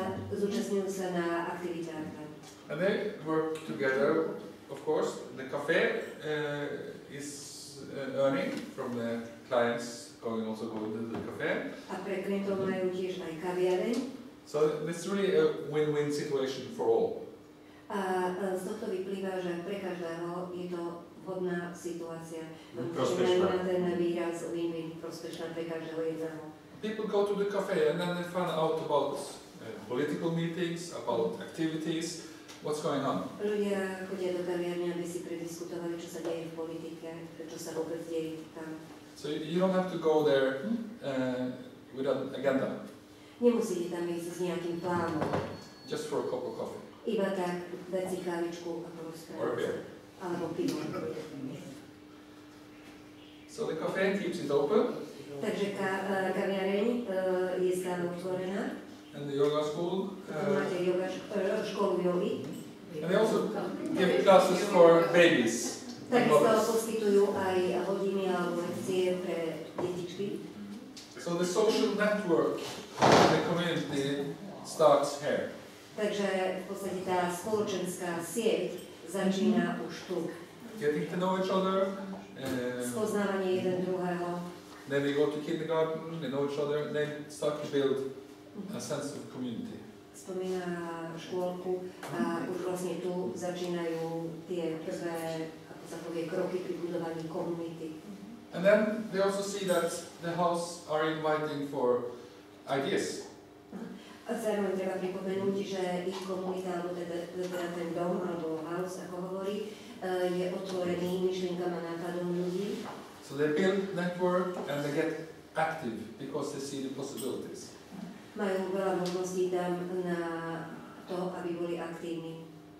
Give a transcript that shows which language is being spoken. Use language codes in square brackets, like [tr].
[sk] Zúčastňujú sa na aktivitách. [en] And they work together, of course. The cafe is earning from the clients going also going to the cafe. [sk] A pre klientov majú tiež aj kaviareň. [en] So it's really a win-win situation for all. [sk] A z tohto vyplýva, že pre každého je to hodná situácia. Prospešná. Ten výraz win-win, prospešná pre každého jedného. [en] People go to the cafe and then they find out about political meetings, about activities, what's going on. [sk] Ľudia chodia do kaviarne, aby si prediskutovali, čo sa deje v politike, čo sa vôbec deje tam. [en] So you don't have to go there with an agenda. [sk] Nemusíte tam ísť s nejakým plánom. [en] Just for a cup of coffee. [sk] Iba tak, dať si kávičku a porozprávať. [en] Or a beer. [sk] Alebo pivo. [en] So the cafe keeps it open. [sk] Takže kaviareň je stále otvorená. [en] And the yoga school. [sk] Máte yoga školu jogy. [en] And they also give classes for babies. [sk] Takisto poskytujú aj hodiny alebo lekcie pre detičky. [en] So the social network in the community starts here. [sk] Takže v podstate tá spoločenská sieť začína už tu. [en] Getting to know each other. [sk] Spoznávanie jeden druhého. [en] Then they go to kindergarten, they know each other, they start to build a sense of community. [sk] Spomína škôlku a už vlastne tu začínajú tie prvé, ako sa povie, kroky pri budovaní komunity. [en] And then they also see that the house are inviting for ideas. [sk] A zároveň treba pripomenúť, že ich komunita, alebo teda ten dom, alebo house, ako hovorí, je otvorený myšlienkam a nápadom ľudí. [en] So they build network and they get active because they see the possibilities. [sk] Majú veľa možností tam na to, aby boli aktívni.